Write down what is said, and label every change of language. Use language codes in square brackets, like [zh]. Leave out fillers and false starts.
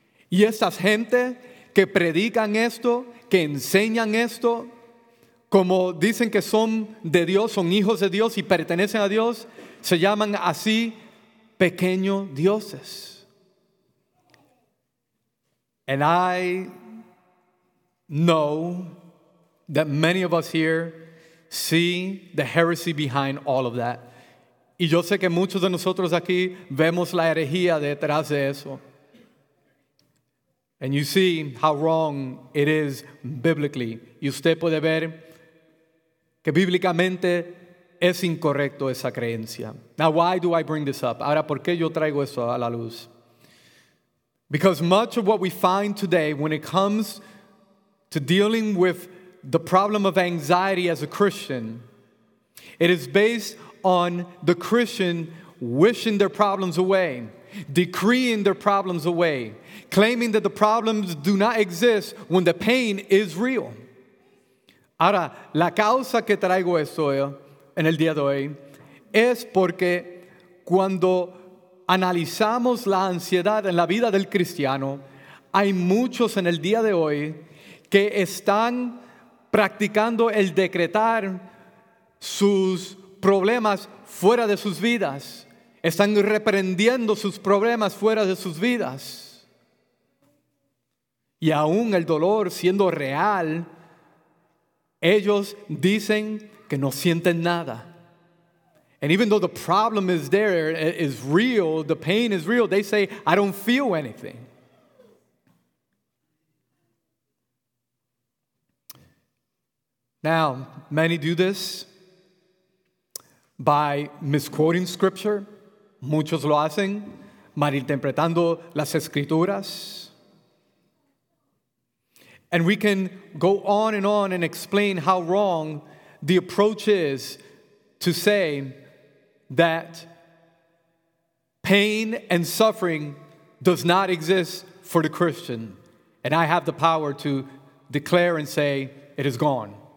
[es] Y esas gente que predican esto, que enseñan esto, como dicen que son de Dios, son hijos de Dios y pertenecen a Dios, se llaman así pequeños dioses. [en] And I know that many of us here see the heresy behind all of that. [es] Y yo sé que muchos de nosotros aquí vemos la herejía detrás de eso. [en] And you see how wrong it is biblically. [es] Y usted puede ver que bíblicamente es incorrecto esa creencia. [en] Now, why do I bring this up? [es] Ahora, ¿por qué yo traigo eso a la luz? [en] Because much of what we find today when it comes to dealing with the problem of anxiety as a Christian, it is based on the Christian wishing their problems away, decreeing their problems away, claiming that the problems do not exist when the pain is real. [es] Ahora, la causa que traigo esto en el día de hoy es porque cuando analizamos la ansiedad en la vida del cristiano, hay muchos en el día de hoy que están practicando el decretar sus problemas fuera de sus vidas. Están reprendiendo sus problemas fuera de sus vidas. Y aún el dolor siendo real, ellos dicen que no sienten nada. [en] And even though the problem is there, is real, the pain is real, they say, I don't feel anything. Now, many do this by misquoting scripture. [es] Muchos lo hacen malinterpretando las escrituras. [en] And we can go on and explain how wrong the approach is to say that pain and suffering does not exist for the Christian. And I have the power to declare and say it is gone.